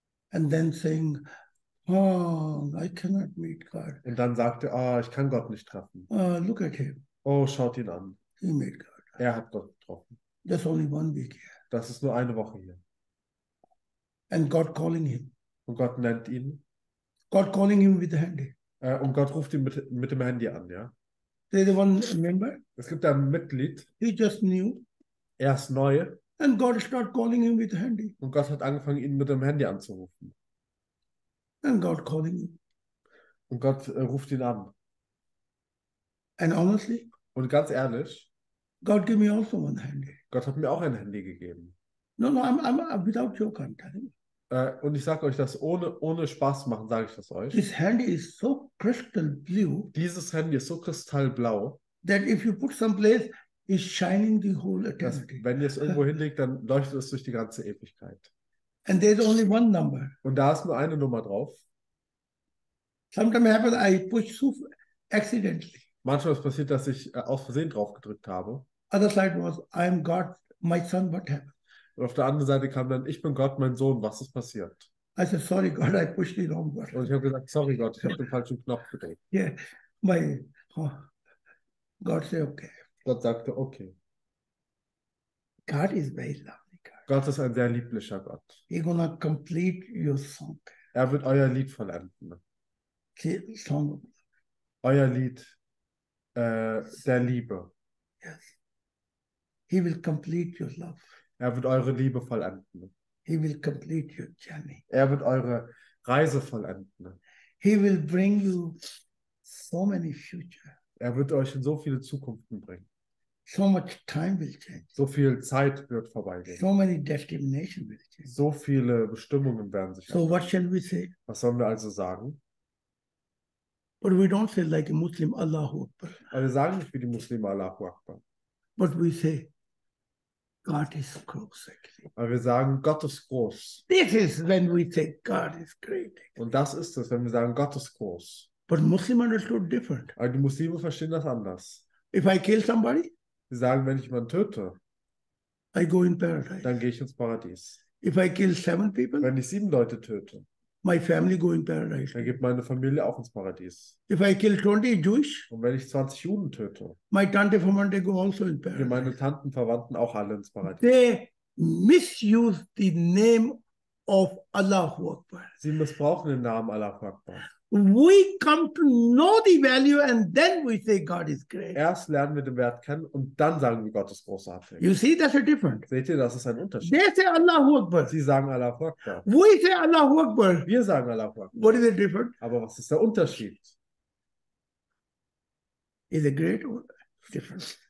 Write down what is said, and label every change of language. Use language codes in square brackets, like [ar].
[en] And then saying, oh, I cannot meet God. [de] Und dann sagt ihr, oh, ich kann Gott nicht treffen. [en] Look at him. [de] Oh, schaut ihn an. [en] He met God. [de] Er hat Gott getroffen. [en] That's only 1 week here. [de] Das ist nur eine Woche hier. [en] And God calling him. [de] Und Gott nennt ihn. [en] God calling him with the handy. [de] Und Gott ruft ihn mit dem Handy an, ja. [en] There's one member. [de] Es gibt ein Mitglied. [en] He just knew. [de] Er ist neu. [en] And God start calling him with the handy. [de] Und Gott hat angefangen, ihn mit dem Handy anzurufen. [en] And God calling him. [de] Und Gott ruft ihn an. [en] And honestly. [de] Und ganz ehrlich. [en] God gave me also one handy. [de] Gott hat mir auch ein Handy gegeben. [en] No, I'm without joke, I'm telling you. [de] Und ich sage euch das ohne Spaß machen, sage ich das euch. [en] This handy is so crystal blue. [de] Dieses Handy ist so kristallblau. [en] That if you put someplace, it's shining the whole eternity. [de] Dass, wenn ihr es irgendwo hinlegt, dann leuchtet es durch die ganze Ewigkeit. [en] And there's only one number. [de] Und da ist nur eine Nummer drauf. [en] Sometimes happens I push so accidentally. [de] Manchmal ist passiert, dass ich aus Versehen drauf gedrückt habe. [en] Other side was, I'm God, my son, what happened? [de] Und auf der anderen Seite kam dann, ich bin Gott, mein Sohn, was ist passiert? [en] I said, sorry God, I pushed the wrong button. [de] Und ich habe gesagt, sorry Gott, ich habe den falschen Knopf gedrückt. [en] Yeah, God said, okay. [de] Gott sagte, okay. [en] God is very lovely God. [de] Gott ist ein sehr lieblicher Gott. [en] He's gonna complete your song. [de] Er wird euer Lied vollenden. [en] The song. [de] Euer Lied. Der Liebe. [en] Yes. He will complete your love. [de] Er wird eure Liebe vollenden. [en] He will complete your journey. [de] Er wird eure Reise vollenden. [en] He will bring you so many future. [de] Er wird euch in so viele Zukunften bringen. [en] So much time will change. [de] So viel Zeit wird vorbeigehen. [en] So many destinations will change. [de] So viele Bestimmungen werden sich [en] ändern. So what shall we say? [de] Was sollen wir also sagen? [en] But we don't say like a Muslim, Allahu Akbar. [de] Aber wir sagen nicht wie die Muslime, Allahu Akbar. [en] But we say, God is groß. [de] Aber wir sagen, Gott ist groß. [en] This is when we say, God is great. [de] Und das ist es, wenn wir sagen, Gott ist groß. [en] But Muslim understood different. [de] Aber die Muslime verstehen das anders. [en] If I kill somebody, [de] sie sagen, wenn ich jemanden töte, [en] I go in paradise. [de] Dann gehe ich ins Paradies. [en] If I kill 7 people, [de] wenn ich 7 Leute töte, [en] my family go in paradise. [de] Dann geht meine Familie auch ins Paradies. [en] If I kill 20 Jewish. [de] Und wenn ich 20 Juden töte. [en] My [de] tante Verwandte [en] go also in paradise. [de] Gehen meine Tanten, Verwandten auch alle ins Paradies. [en] They misuse the name of Allahu Akbar. [de] Sie missbrauchen den Namen Allahu Akbar. [en] We come to know the value and then we say God is great. [de] Erst lernen wir den Wert kennen und dann sagen wir Gott ist großartig. [en] You see, that's a different. [de] Seht ihr, das ist ein Unterschied. [en] They say Allahu Akbar. [de] Sie sagen Allahu Akbar. [en] We say Allahu Akbar. [de] Wir sagen Allahu Akbar. [en] What is the difference? [de] Aber was ist der Unterschied? [en] Is a great difference.